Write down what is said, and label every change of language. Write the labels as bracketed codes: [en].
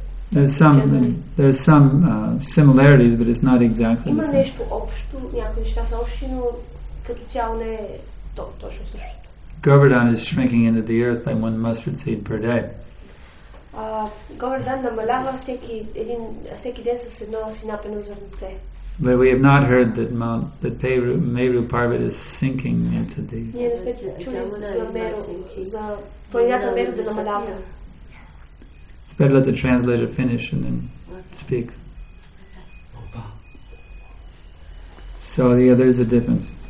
[en] There's some similarities, but it's not exactly the same. Govardhan is shrinking into the earth by one mustard seed per day. [bg] Govardhan намалява всеки ден с едно синапено зърнце. [en] But we have not heard that Meru Parvat is sinking into the earth. [bg] Ние не сме чули за планината Meru да намалява. [en] It's better let the translator finish and then speak. So yeah, there's a difference.